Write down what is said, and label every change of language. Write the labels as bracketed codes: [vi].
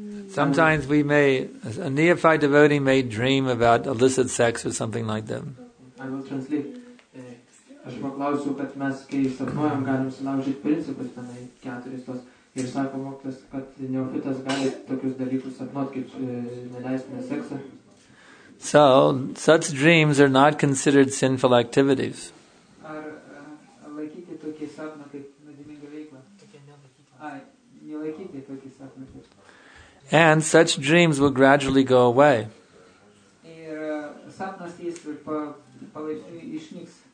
[en] Sometimes we may, a neophyte devotee may dream about illicit sex or something like that. I will translate. [lt] Aš paklausiu, kad mes kai sapnuojam, galim sulaužyti principus tenai keturis tos. Ir sako mokytas, kad neofitas gali tokius dalykus sapnuoti, kaip neleistinę seksą. [en] So, such dreams are not considered sinful activities. [lt] Ar laikyti tokį sapną kaip nuodėminga veikla? Nelaikyti tokį sapną kaip. [en] And such dreams will gradually go away. [lt] Ir sapnas jis palaipsniui išnyks.